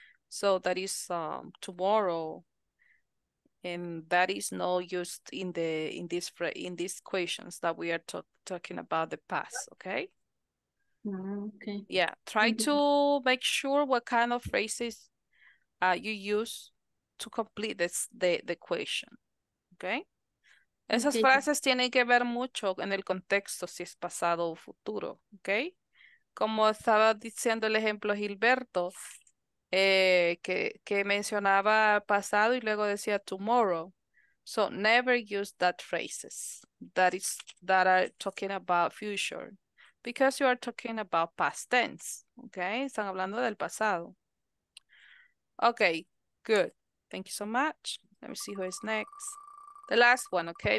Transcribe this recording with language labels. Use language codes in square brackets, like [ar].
[en] So that is tomorrow. And that is not used in the in these questions that we are talking about the past, okay? Okay. Yeah, try to make sure what kind of phrases you use to complete this the question, okay? [es] Esas frases tienen que ver mucho en el contexto, si es pasado o futuro, okay? Como estaba diciendo el ejemplo Gilberto, que mencionaba pasado y luego decía tomorrow. [en] So never use that phrases that are talking about future, because you are talking about past tense, okay? [es] Están hablando del pasado. [en] Okay, good. Thank you so much. Let me see who is next. The last one, okay?